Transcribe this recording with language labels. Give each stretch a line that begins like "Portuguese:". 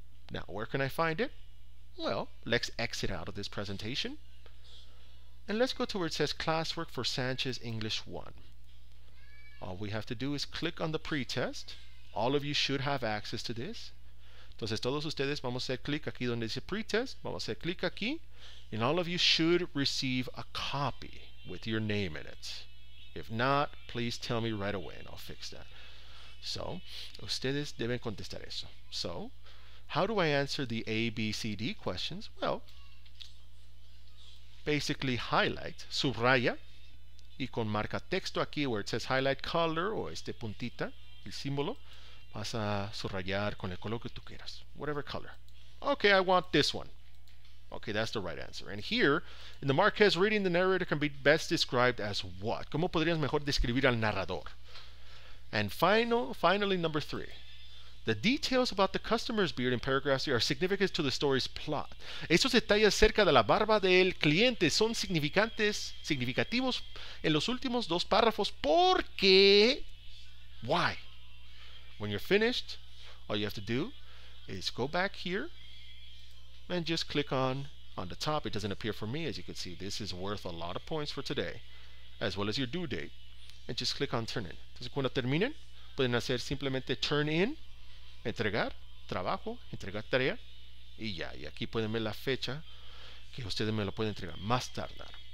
English: Now, where can I find it? Well, let's exit out of this presentation. And let's go to where it says classwork for Sanchez English 1. All we have to do is click on the pretest. All of you should have access to this.
Spanish: Entonces, todos ustedes vamos a hacer clic aquí donde dice pretest. Vamos a hacer clic aquí.
English: And all of you should receive a copy with your name in it. If not, please tell me right away and I'll fix that. So,
Spanish: ustedes deben contestar eso.
English: So, how do I answer the A, B, C, D questions? Well, basically highlight,
Spanish: subraya, y con marca texto aquí
English: where it says highlight color
Spanish: o este puntita, el símbolo. Vas a subrayar con el color que tú quieras.
English: Whatever color. Okay, I want this one. Okay, that's the right answer. And here, in the Marquez reading, the narrator can be best described as what?
Spanish: ¿Cómo podrías mejor describir al narrador?
English: And finally, number three. The details about the customer's beard in paragraph 3 are significant to the story's plot.
Spanish: Esos detalles acerca de la barba del cliente son significativos en los últimos dos párrafos. ¿Por qué?
English: Why? When you're finished, all you have to do is go back here and just click on the top. It doesn't appear for me, as you can see. This is worth a lot of points for today, as well as your due date. And just click on turn in.
Spanish: Entonces, cuando terminen, pueden hacer simplemente turn in, entregar trabajo, entregar tarea, y ya. Y aquí pueden ver la fecha que ustedes me lo pueden entregar más tardar.